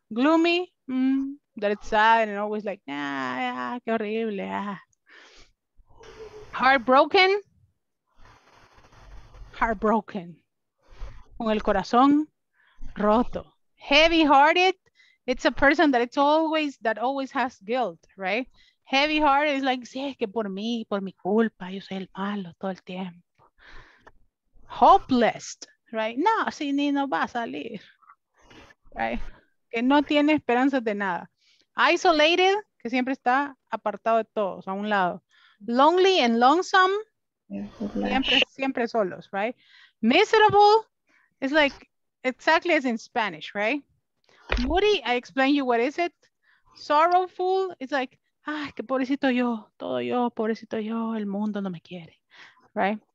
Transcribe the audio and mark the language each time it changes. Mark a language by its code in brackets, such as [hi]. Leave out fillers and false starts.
[en] Gloomy, that it's sad and always like, ah, ah, [es] qué horrible. [en] Ah. Heartbroken. [es] Heartbroken. Con el corazón roto. [en] Heavy-hearted, it's a person that it's always, that always has guilt, right? Heavy-hearted is like, [es] sí, es que por mi culpa, yo soy el malo todo el tiempo. [en] Hopeless, right? [es] No, así ni no va a salir, right? Que no tiene esperanzas de nada. Isolated, que siempre está apartado de todos, a un lado. [en] Lonely and lonesome, [es] siempre, siempre solos, right? [en] Miserable, it's like exactly as in Spanish, right? Moody, I explain you what is it. Sorrowful, it's like, [es] ay, que pobrecito yo, todo yo, pobrecito yo, el mundo no me quiere, right?